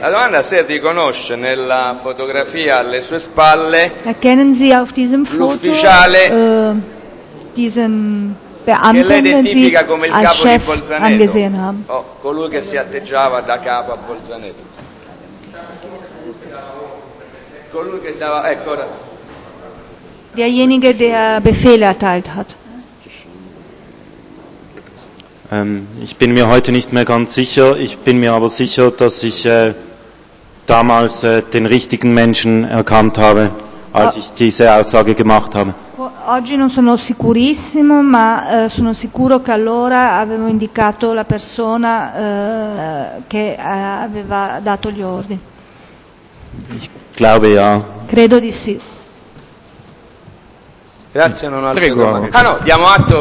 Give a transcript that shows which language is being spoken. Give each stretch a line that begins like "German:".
Italian: La domanda se riconosce nella fotografia alle sue spalle l'ufficiale che lei identifica come il capo di Bolzaneto o colui che si atteggiava da capo a Bolzaneto. Colui che dava... Ecco, ora.
German: Derjenige, der Befehle erteilt hat. Ich bin mir heute nicht mehr ganz sicher, ich bin mir aber sicher, dass ich damals den richtigen Menschen erkannt habe, als ich diese Aussage gemacht habe.
Italian: Oggi non sono sicurissimo, ma sono sicuro che allora avevo indicato la persona che aveva dato gli ordini.
German: Ich glaube ja.
Italian: Credo di sì. Grazie, non ho altro. Ah no, diamo atto